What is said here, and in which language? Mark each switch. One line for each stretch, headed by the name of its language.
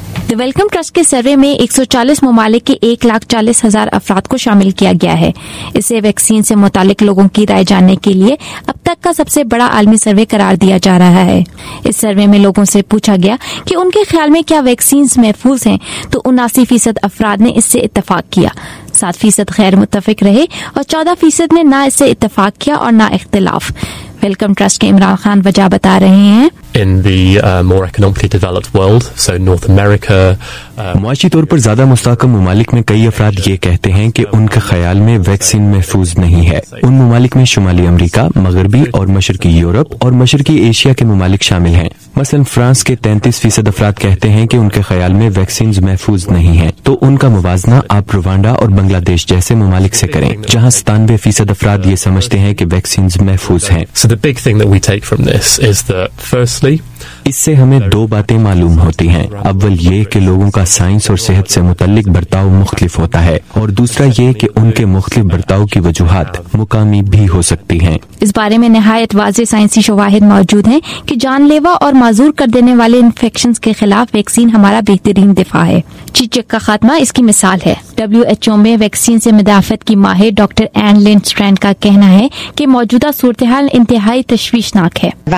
Urdu: The Wellcome Trust के सर्वे में 140 ممالک کے 140,000 افراد کو شامل کیا گیا ہے۔ اسے ویکسین سے متعلق لوگوں کی رائے جاننے کے لیے اب تک کا سب سے بڑا عالمی سروے قرار دیا جا رہا ہے۔ اس سروے میں لوگوں سے پوچھا گیا کہ ان کے خیال میں کیا ویکسینز محفوظ ہیں، تو 79% افراد نے اس سے اتفاق کیا، 7% غیر متفق رہے اور 14% نے نہ اس سے اتفاق کیا اور نہ اختلاف۔ ویلکم ٹرسٹ کے عمران خان وجہ بتا رہے ہیں۔
English: In the more economically developed world, so North America,
Urdu: معاشی طور پر زیادہ مستحکم ممالک میں کئی افراد یہ کہتے ہیں کہ ان کے خیال میں ویکسین محفوظ نہیں ہے۔ ان ممالک میں شمالی امریکہ، مغربی اور مشرقی یورپ اور مشرقی ایشیا کے ممالک شامل ہیں۔ مثلا فرانس کے 33% افراد کہتے ہیں کہ ان کے خیال میں ویکسینز محفوظ نہیں ہیں، تو ان کا موازنہ آپ روانڈا اور بنگلہ دیش جیسے ممالک سے کریں جہاں 97% افراد یہ سمجھتے ہیں کہ ویکسینز محفوظ ہیں۔
English: So the big thing that we take from this is that firstly,
Urdu: اس سے ہمیں دو باتیں معلوم ہوتی ہیں۔ اول یہ کہ لوگوں کا سائنس اور صحت سے متعلق برتاؤ مختلف ہوتا ہے، اور دوسرا یہ کہ ان کے مختلف برتاؤ کی وجوہات مقامی بھی ہو سکتی ہیں۔ اس بارے میں نہایت واضح سائنسی شواہد موجود ہیں کہ جان لیوا اور معذور کر دینے والے انفیکشنز کے خلاف ویکسین ہمارا بہترین دفاع ہے۔ چیچک کا خاتمہ اس کی مثال ہے۔ WHO میں ویکسین سے مدافعت کی ماہر ڈاکٹر این لین سٹرینڈ کا کہنا ہے کہ موجودہ صورتحال انتہائی تشویشناک ہے۔